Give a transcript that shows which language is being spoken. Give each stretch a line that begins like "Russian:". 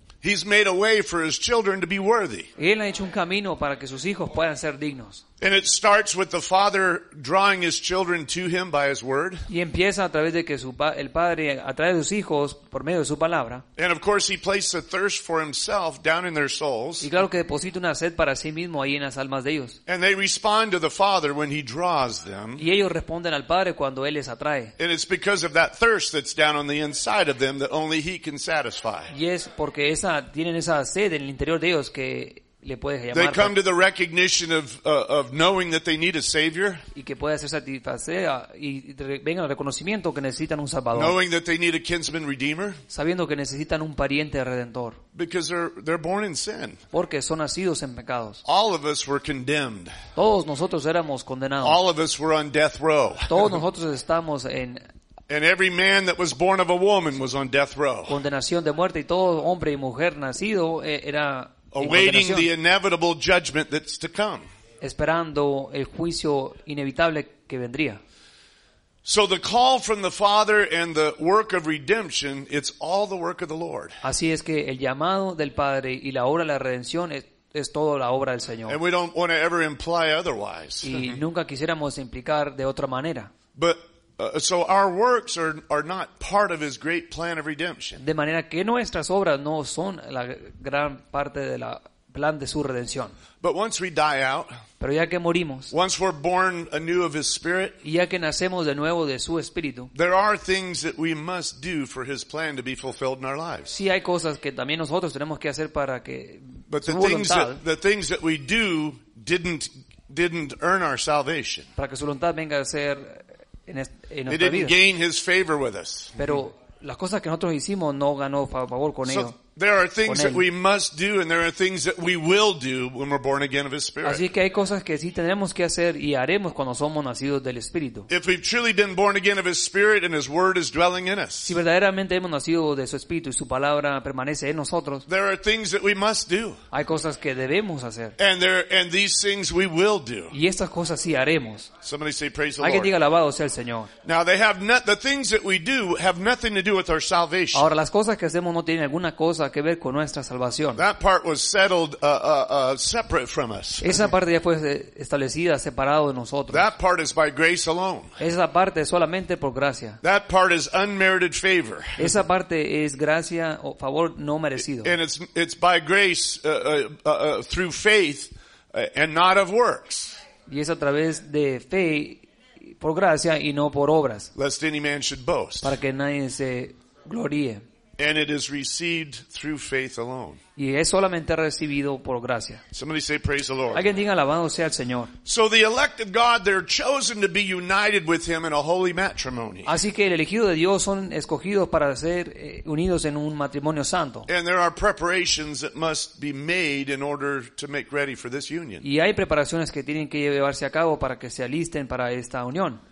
English: He's made a way for His children to be worthy.
Spanish: Él ha hecho un camino para que sus hijos puedan ser dignos.
English: And it starts with the Father drawing His children to Him by His Word.
Spanish: Y empieza a través de que el Padre atrae a sus hijos por medio de su palabra.
English: And of course He places a thirst for Himself down in their souls.
Spanish: Y claro que deposita una sed para sí mismo ahí en las almas de ellos.
English: And they respond to the Father when He draws them.
Spanish: Y ellos responden al Padre cuando Él les atrae.
English: And it's because of that thirst that's down on the inside of them that only He can satisfy.
Spanish: Y es porque tienen esa sed en el interior de ellos que le puede llamar.
English: They come to the recognition of knowing that they need a Savior.
Spanish: Y que puede ser satisfecha y venga el reconocimiento que necesitan un Salvador.
English: Knowing that they need a kinsman redeemer.
Spanish: Sabiendo que necesitan un pariente redentor.
English: Because they're born in sin.
Spanish: Porque son nacidos en pecados.
English: All of us were condemned.
Spanish: Todos nosotros éramos condenados.
English: All of us were on death row.
Spanish: Todos nosotros estamos en.
English: And every man that was born of a woman was on death row.
Spanish: Condenación de muerte y todo hombre y mujer nacido era.
English: Awaiting the inevitable judgment that's to come.
Spanish: Esperando el juicio inevitable que vendría.
English: So the call from the Father and the work of redemption, it's all the work of the Lord.
Spanish: Así es que el llamado del Padre y la obra de la redención es toda la obra del Señor.
English: And we don't want to ever imply otherwise.
Spanish: Y nunca quisiéramos implicar de otra manera.
English: But so our works are not part of His great plan of redemption.
Spanish: De manera que nuestras obras no son la gran parte del plan de su redención.
English: But once we die out,
Spanish: pero ya que morimos,
English: once we're born anew of His Spirit,
Spanish: y ya que nacemos de nuevo de su Espíritu,
English: there are things that we must do for His plan to be fulfilled in our lives.
Spanish: Sí, hay cosas que también nosotros tenemos que hacer para que
English: But the things that we do didn't earn our salvation.
Spanish: Para que su voluntad venga a ser.
English: They didn't gain His favor with us.
Spanish: Pero las cosas que nosotros hicimos no ganó favor con ellos.
English: There are things that we must do, and there are things that we will do when we're born again of His Spirit.
Spanish: Así que hay cosas que sí tenemos que hacer y haremos cuando somos nacidos del Espíritu.
English: If we've truly been born again of His Spirit and His Word is dwelling in us.
Spanish: Si verdaderamente hemos nacido de su Espíritu y su palabra permanece en nosotros.
English: There are things that we must do.
Spanish: Hay cosas que debemos hacer.
English: And these things we will do.
Spanish: Y estas cosas sí haremos.
English: Somebody say praise the Lord.
Spanish: Alguien diga alabado sea el Señor.
English: Now they have not, the things that we do have nothing to do with our salvation.
Spanish: Ahora las cosas que hacemos no tienen alguna cosa que ver con nuestra salvación.
English: That part was settled, separate from us.
Spanish: Esa parte ya fue establecida, separado de nosotros.
English: That part is by grace alone.
Spanish: Esa parte es solamente por gracia.
English: That part is unmerited favor.
Spanish: Esa parte es gracia o favor no merecido.
English: And it's by grace through faith and not of works.
Spanish: Y es a través de fe por gracia y no por obras.
English: Lest any man should boast.
Spanish: Para que nadie se gloríe.
English: And it is received through faith alone.
Spanish: Y es solamente recibido por gracia.
English: Somebody say praise the Lord.
Spanish: Alguien diga alabado sea el Señor.
English: So the elect of God, they're chosen to be united with Him in a holy matrimony.
Spanish: Así que el elegido de Dios son escogidos para ser unidos en un matrimonio santo.
English: And there are preparations that must be made in order to make ready for this union.
Spanish: Y hay preparaciones que tienen que llevarse a cabo para que se alisten para esta unión.